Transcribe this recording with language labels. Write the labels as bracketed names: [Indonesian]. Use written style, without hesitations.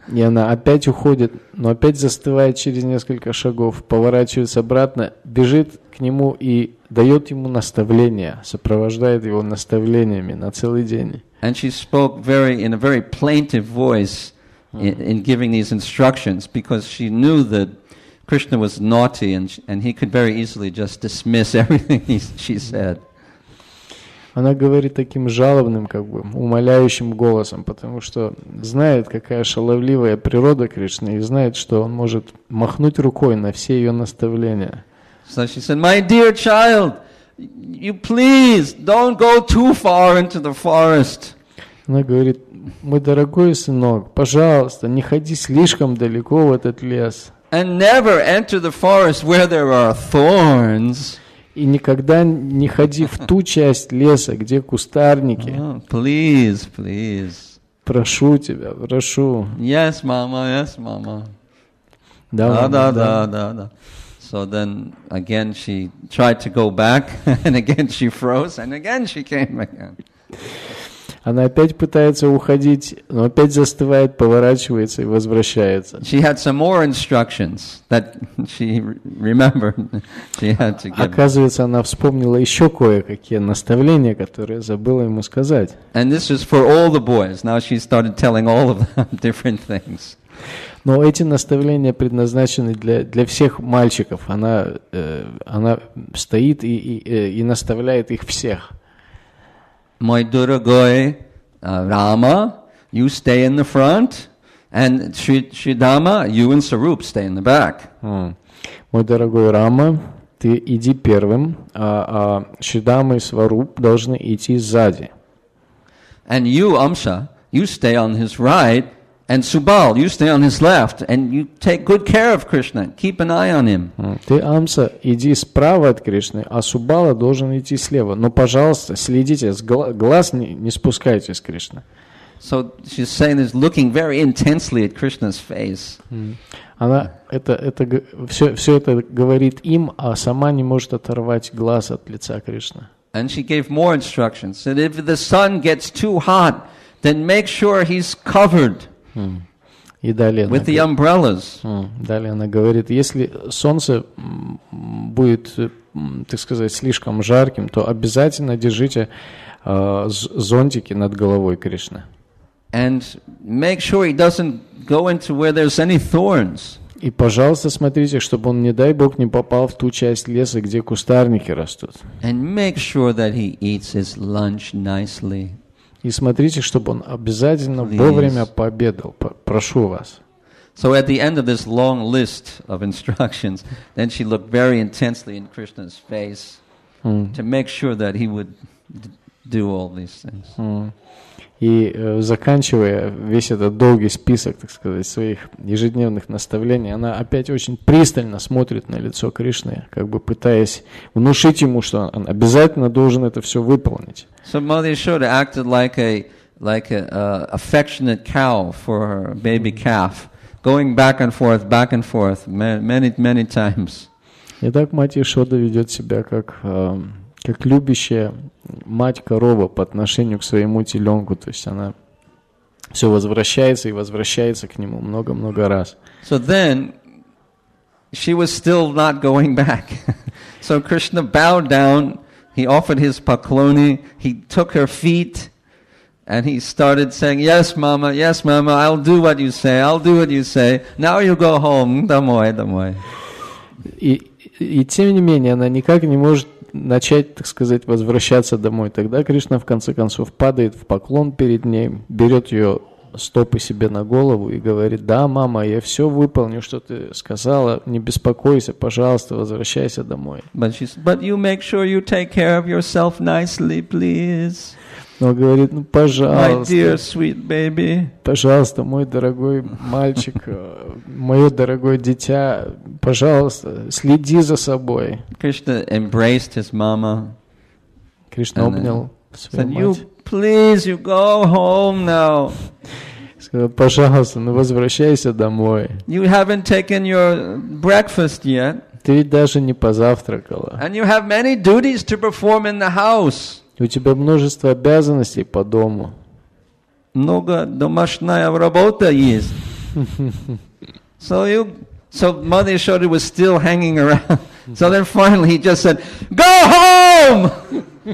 [Russian] И она опять уходит, но опять застывает через несколько шагов, поворачивается обратно, бежит к нему и дает ему наставления, сопровождает его наставлениями на целый день. [English] And she spoke in a very plaintive voice in giving these instructions, because she knew that Krishna was naughty, and he could very easily just dismiss everything she said. [Russian] Она говорит таким жалобным, как бы, умоляющим голосом, потому что знает, какая шаловливая природа Кришны, и знает, что он может махнуть рукой на все ее наставления. [English] So she said, my dear child, you please don't go too far into the forest. [Russian] Она говорит, мой дорогой сынок, пожалуйста, не ходи слишком далеко в этот лес. [English] And never enter the forest where there are thorns. [Russian] И никогда не ходи в ту часть леса, где кустарники. [English] Oh, please, please. [Russian] Прошу тебя, прошу. [English] Yes, mama, yes, mama. [Russian] Да, да, мама, да, да, да, да, да. [English] So then again she tried to go back, and again she froze, and again she came again. [Russian] Она опять пытается уходить, но опять застывает, поворачивается и возвращается. [English] She had some more instructions that she remembered. She had to give. [Russian] Оказывается, она вспомнила еще кое-какие наставления, которые забыла ему сказать. [English] And this is for all the boys. Now she started telling all of them different things. [Russian] Но эти наставления предназначены для всех мальчиков. Она стоит и наставляет их всех. Мой дорогой [English] Рама, you stay in the front, and Шридама, you and Саруп stay in the back. [Russian] Мой дорогой Рама, ты иди первым, а Шридама и Саруп должны идти сзади. [English] And you, Амша, you stay on his right, and Субал, you stay on his left, and you take good care of Krishna, keep an eye on him. [Russian] Ты, Амса, иди справа от Кришны, а Субала должен идти слева. Но, пожалуйста, следите, глаз не спускайте с Кришны. [English] So she's saying this, looking very intensely at Krishna's face. [Russian] Она все это говорит им, а сама не может оторвать глаз от лица Кришны. [English] And she gave more instructions. Said, if the sun gets too hot, then make sure he's covered. [Russian] И далее [English] with the umbrellas. [Russian] Далее она говорит, если солнце будет, так сказать, слишком жарким, то обязательно держите зонтики над головой Кришны. [English] And make sure he doesn't go into where there's any thorns. [Russian] И, пожалуйста, смотрите, чтобы он, не дай Бог, не попал в ту часть леса, где кустарники растут. [English] And make sure that he eats his lunch nicely. [Russian] И смотрите, чтобы он обязательно [English] Please. [Russian] Вовремя пообедал. Прошу вас. [English] So at the end of this long list of instructions, then she looked very intensely in Krishna's face to make sure that he would do all these things. [Russian] И заканчивая весь этот долгий список, так сказать, своих ежедневных наставлений, она опять очень пристально смотрит на лицо Кришны, как бы пытаясь внушить ему, что он обязательно должен это все выполнить. [English] So Mother Yashoda acted like a affectionate cow for her baby calf, going back and forth, many, many times. [Russian] Итак, мать Яшода ведет себя как любящая мать-корова по отношению к своему теленку, то есть она все возвращается и возвращается к нему много-много раз. [English] So then she was still not going back. So Krishna bowed down, he offered his pakloni, he took her feet, and he started saying, yes, mama, I'll do what you say, I'll do what you say. Now you go home, [Russian] домой, домой. И тем не менее она никак не может начать, так сказать, возвращаться домой. Тогда Кришна, в конце концов, падает в поклон перед ней, берет ее стопы себе на голову и говорит, да, мама, я все выполню, что ты сказала, не беспокойся, пожалуйста, возвращайся домой. [English] But she said, but you make sure you take care of yourself nicely, please. [Russian] Но говорит, ну, пожалуйста. [English] My dear sweet baby. [Russian] Пожалуйста, мой дорогой мальчик, мое дорогое дитя, пожалуйста, следи за собой. [English] Krishna embraced his mama. [Russian] Кришна обнял свою мать. [English] Said, you, please, you go home now. [Russian] Сказал, пожалуйста, ну, возвращайся домой. [English] You haven't taken your breakfast yet. [Russian] Ты ведь даже не позавтракала. [English] And you have many duties to perform in the house. [Russian] У тебя множество обязанностей по дому. Много домашняя работа есть. [English] So Mother Yashoda was still hanging around. So then finally he just said, go home!